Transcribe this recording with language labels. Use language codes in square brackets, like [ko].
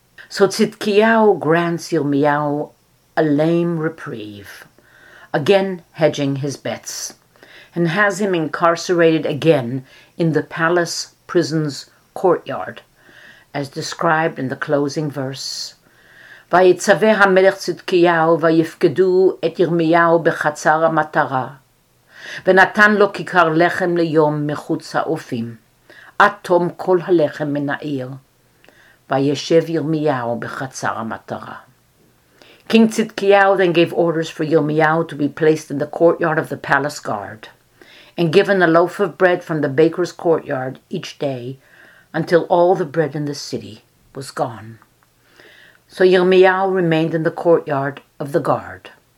[en] So Zedekiah grants Yirmiyahu a lame reprieve, again hedging his bets, and has him incarcerated again in the palace prison's courtyard, as described in the closing verse. [he] ויצווה המלך צדקיהו ויפקדו את ירמיהו בחצר המטרה, ונתן לו כיכר לחם ליום מחוץ האופים, עד תום כל הלחם מן העיר, וישב ירמיהו בחצר המטרה. [en] King Zedekiah then gave orders for Yirmiyahu to be placed in the courtyard of the palace guard and given a loaf of bread from the baker's courtyard each day until all the bread in the city was gone. So Yirmiyahu remained in the courtyard of the guard.